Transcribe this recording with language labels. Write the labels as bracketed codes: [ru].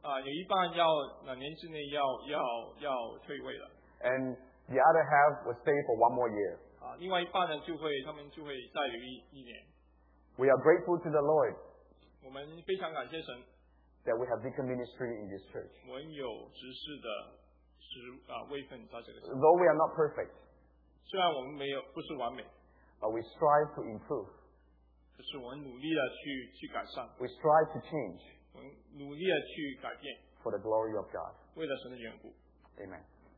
[zh] 有一半要两年之内要退位了. [en] And the other half will stay for 1 more year. [zh] 另外一半呢就会他们就会再留一年. [en] We are grateful to the Lord [zh] 我们非常感谢神, [en] that we have deacon ministry in this church. [zh] 我们有执事的职位分在这个church. [en] Though we are not perfect, [zh] 虽然我们没有不是完美, [en] but we strive to improve. [zh] 可是我们努力地去改善, [en] we strive to change, [zh] 我们努力地去改变, [en] for the glory of God. [zh] 为了神的缘故. [en] Amen.